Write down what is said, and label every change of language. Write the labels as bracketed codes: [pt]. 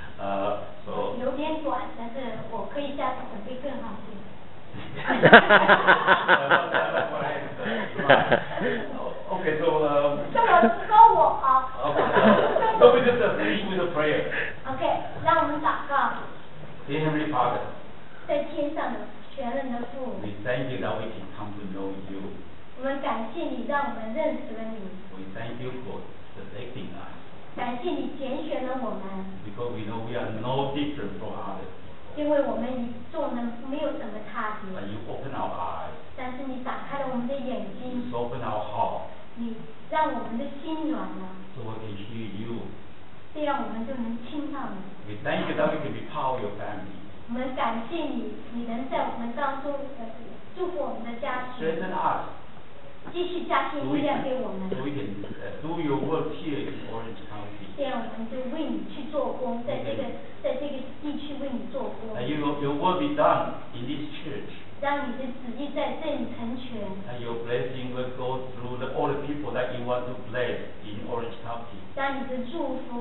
[en] Okay, so so we just finish with a prayer. [zh] Okay, 让我们祷告. [en] Dear Heavenly Father, [zh] 在天上的全人的父, [en] we thank you that we can come to know you. [zh] 我们感谢你让我们认识了你. [en] We thank you for selecting us. [zh] 感谢你拣选了我们. [en] Because we know we are no different from others. [zh] 因为我们与众人没有什么差别。 [en] But you open our eyes. [zh] 但是你打开了我们的眼睛。 [en] You open our heart. [zh] 你让我们的心软了。 [en] So we can hear you. [zh] 这样我们就能听到你。 [en] We thank you that we can be part of your family. [zh] 我们感谢你, 你能在我们当中祝福我们的家庭。 [en] Strengthen us. [zh] 继续加添力量给我们。 [en] So we can do your work here in Orange County. [zh] 这样我们就为你去做工, 在这个 在这个地区为你做工。 [en] And your will be done in this church. [zh] 让你的旨意在这里成全。 [en] And your blessing will go through all the people that you want to bless in Orange County.